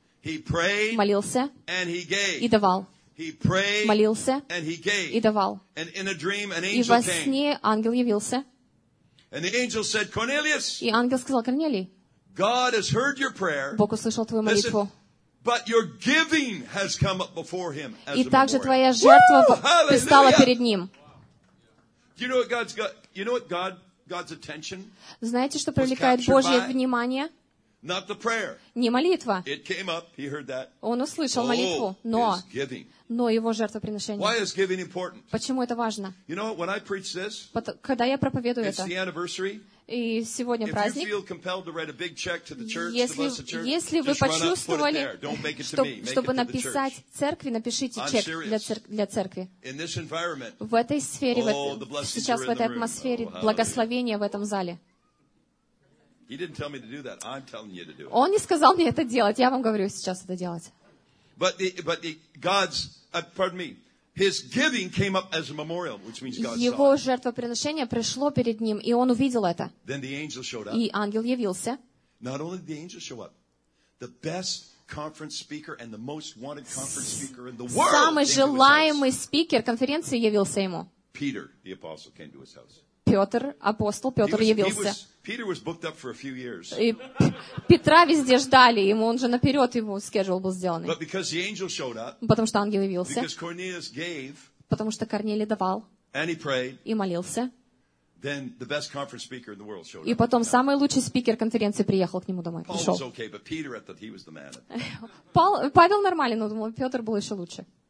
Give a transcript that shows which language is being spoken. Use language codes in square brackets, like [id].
[en] He prayed, [ru] молился, [en] and he gave. [ru] И давал. [en] He prayed, [ru] молился, [en] and he gave. [ru] И давал. [en] And in a dream, an angel [ru] и во сне ангел явился. [en] And the angel said, Cornelius, [ru] и ангел сказал, Корнелий, [en] God has heard your prayer. [ru] Бог услышал твою молитву. [en] But your giving has come up before him as [ru] и также твоя жертва предстала перед ним. [en] You know what God's got? You know what God's attention? [ru] Знаете, что привлекает Божье внимание? [en] Not the prayer. [ru] Не молитва. [en] It came up. He heard that. [ru] Он услышал молитву, но его жертвоприношение. [en] Why is giving important? [ru] Почему это важно? [en] You know, when I preach this, [ru] когда я проповедую это, [en] it's the anniversary. [ru] И сегодня праздник. Если вы почувствовали, чтобы написать церкви, напишите чек для церкви. В этой сфере, сейчас в этой атмосфере благословения в этом зале. [en] He didn't tell me to do that. I'm telling you to do it. [ru] Он не сказал мне это делать. Я вам говорю сейчас это делать. [en] But the God's, pardon me, His giving came up as a memorial, which means God saw. [ru] Его жертвоприношение пришло перед ним, и он увидел это. [en] Then the angel showed up. [ru] И ангел явился. [en] Not only did the angel show up, the best conference speaker and the most wanted conference speaker in the world. [ru] Самый желаемый спикер конференции явился ему. [en] Peter, the apostle, came to his house. [ru] Петр, апостол, Петр явился. [en] Peter was booked up for a few years. [ru] И Петра везде ждали, ему он же наперед его schedule был сделан. [en] But because the angel showed up. [ru] Потому что ангел явился. [en] Because Cornelius gave. [ru] Потому что Корнелий давал. [en] And he prayed. [ru] И молился. [en] Then the best conference speaker in the world showed up. [ru] И потом самый лучший спикер конференции приехал к нему домой. [en] Paul was okay, but Peter, I thought he was the man. [ru] Павел нормальный, но думал, Петр был еще лучше.